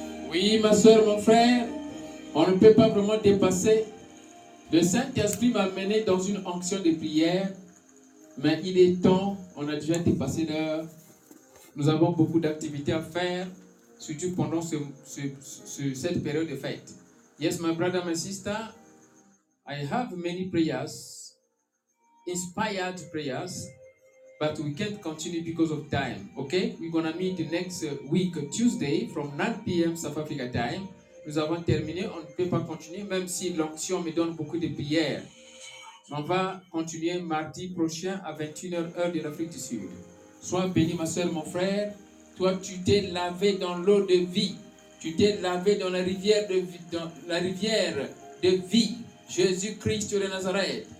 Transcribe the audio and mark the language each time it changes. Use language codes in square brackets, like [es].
[fr] Oui, ma soeur, mon frère, on ne peut pas vraiment dépasser. Le Saint-Esprit m'a mené dans une onction de prière, mais il est temps, on a déjà dépassé l'heure. Nous avons beaucoup d'activités à faire, surtout pendant cette période de fête. [en] Yes, my brother, my sister, I have many prayers, inspired prayers, but we can't continue because of time, okay? We're going to meet next week, Tuesday, from 9 p.m. South Africa time. [fr] Nous avons terminé, on ne peut pas continuer, même si l'onction me donne beaucoup de prières. On va continuer mardi prochain à 21h, heure de l'Afrique du Sud. Sois béni, ma soeur, mon frère. Toi, tu t'es lavé dans l'eau de vie. Tu t'es lavé dans la rivière de vie, Jésus-Christ de Nazareth.